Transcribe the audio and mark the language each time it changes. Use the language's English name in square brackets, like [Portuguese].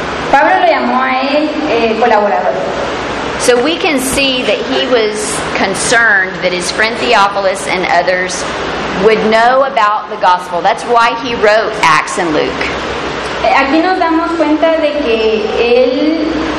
[Spanish] Pablo lo llamó a él colaborador. [English] So we can see that he was concerned that his friend Theophilus and others would know about the gospel. That's why he wrote Acts and Luke. [Spanish] Aquí nos damos cuenta de que él